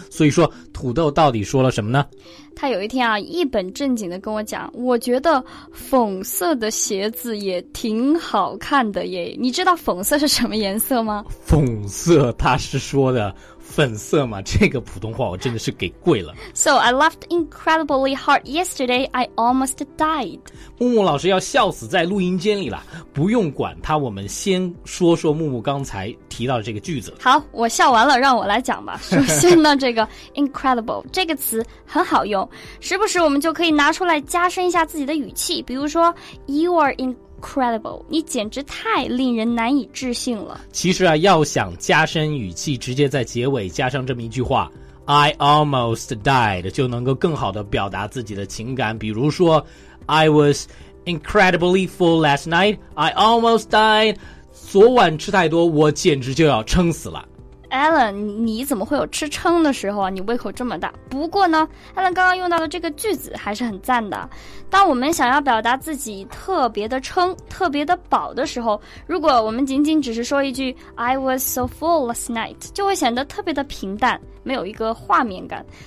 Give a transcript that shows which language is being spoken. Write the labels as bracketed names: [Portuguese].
[Chinese] 所以说土豆到底说了什么呢？他有一天啊，一本正经的跟我讲，我觉得粉色的鞋子也挺好看的耶。你知道粉色是什么颜色吗？粉色，他是说的粉色吗？这个普通话我真的是给跪了。 [English] So I laughed incredibly hard yesterday, I almost died. [Chinese] 木木老师要笑死在录音间里了。不用管他，我们先说说木木刚才提到的这个句子。好，我笑完了，让我来讲吧。首先呢，这个 incredible 这个词很好用，时不时我们就可以拿出来加深一下自己的语气。比如说 [English] you are incredible, [Chinese] 你简直太令人难以置信了。其实啊，要想加深语气，直接在结尾加上这么一句话 [English] I almost died, [Chinese] 就能够更好地表达自己的情感。比如说 [English] I was incredibly full last night, I almost died, [Chinese] 昨晚吃太多，我简直就要撑死了。 Alan, 你怎么会有吃撑的时候啊？你胃口这么大。不过呢， Alan 刚刚用到的这个句子还是很赞的。当我们想要表达自己特别的撑，特别的饱的时候，如果我们仅仅只是说一句 [English] I was so full last night, [Chinese] 就会显得特别的平淡，没有一个画面感。